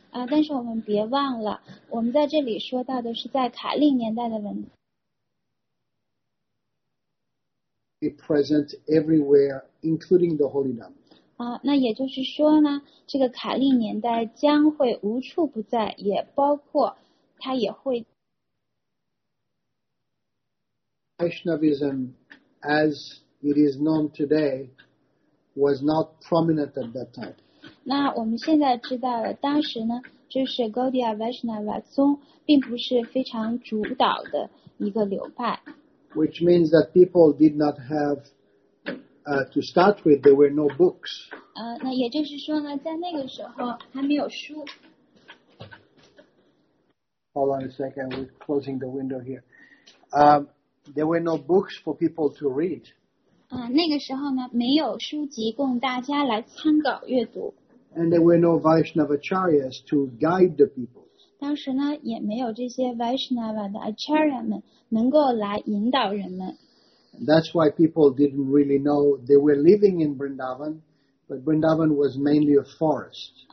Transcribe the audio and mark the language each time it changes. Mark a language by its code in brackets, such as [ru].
[zh] 但是我们别忘了，我们在这里说到的是在卡利年代的文。 [en] Be present everywhere, including the Holy Land. [zh] 那也就是说呢，这个卡利年代将会无处不在，也包括它也会。 [en] Vaishnavism, as it is known today, was not prominent at that time. [zh] 那我们现在知道了，当时呢，就是 Gaudiya Vaishnava 宗并不是非常主导的一个流派。 [en] Which means that people did not have, to start with, there were no books. [zh] 那也就是说呢，在那个时候还没有书。 [en] Hold on a second, we're closing the window here. There were no books for people to read. [zh] 那个时候呢，没有书籍供大家来参考阅读。 [en] And there were no Vaishnavacharyas to guide the people. [zh] 当时呢，也没有这些 Vaishnava 的 Acharya 们能够来引导人们。 [en] That's why people didn't really know they were living in Vrindavan, but Vrindavan was mainly a forest.